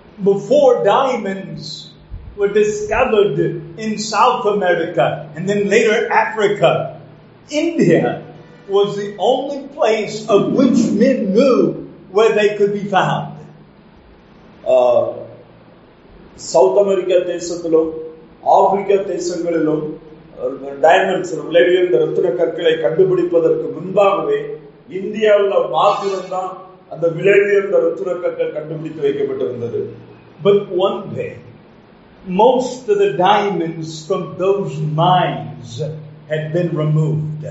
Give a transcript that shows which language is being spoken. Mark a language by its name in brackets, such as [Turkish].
[English] Before diamonds were discovered in South America and then later Africa, India was the only place of which men knew where they could be found. [Tamil] South America தேசத்திலும் Africa தேசங்களிலும் diamonds விலையுயர்ந்த ரத்தின கற்களை கண்டுபிடிப்பதற்கு முன்பாகவே இந்தியாவில் மாத்திரம்தான் அந்த விலையுயர்ந்த ரத்தின கற்கள் கண்டுபிடித்து வைக்கப்பட்டிருந்தது. [English] But one day, most of the diamonds from those mines had been removed.